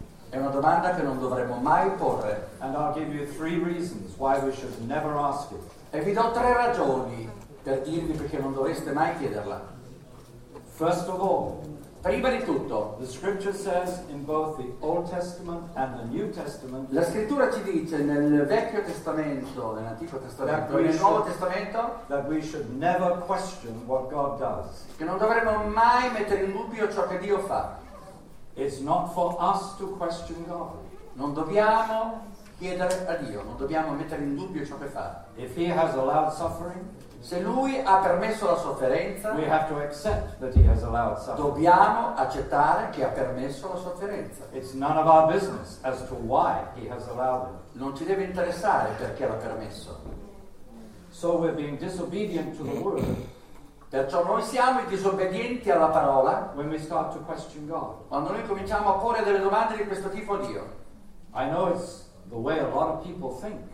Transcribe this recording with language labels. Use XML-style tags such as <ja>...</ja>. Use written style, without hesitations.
<it>È una domanda che non dovremmo mai porre.</it> <en>And I'll give you three reasons why we should never ask it.</en> <it>E vi do tre ragioni per dirvi perché non dovreste mai chiederla.</it> <en>First of all,</en> <it>prima di tutto,</it> <en>the scripture says in both the Old Testament and the New Testament,</en> <it>la scrittura ci dice nel Vecchio Testamento, nell'Antico Testamento e nel Nuovo Testamento,</it> <en>that we should never question what God does.</en> <it>Che non dovremmo mai mettere in dubbio ciò che Dio fa.</it> <en>It's not for us to question God.</en> <it>Non dobbiamo chiedere a Dio, non dobbiamo mettere in dubbio ciò che fa.</it> <en>If he has allowed suffering,</en> <it>se lui ha permesso la sofferenza,</it> <en>we have to accept that he has allowed suffering.</en> <it>Dobbiamo accettare che ha permesso la sofferenza.</it> <en>It's none of our business as to why he has allowed it.</en> <it>Non ci deve interessare perché l'ha permesso.</it> <en>So we're being disobedient to the word.</en> <it>Perciò noi siamo i disobbedienti alla parola.</it> <en>When we start to question God.</en> <it>Quando noi cominciamo a porre delle domande di questo tipo a Dio.</it> <en>I know it's the way a lot of people think.</en>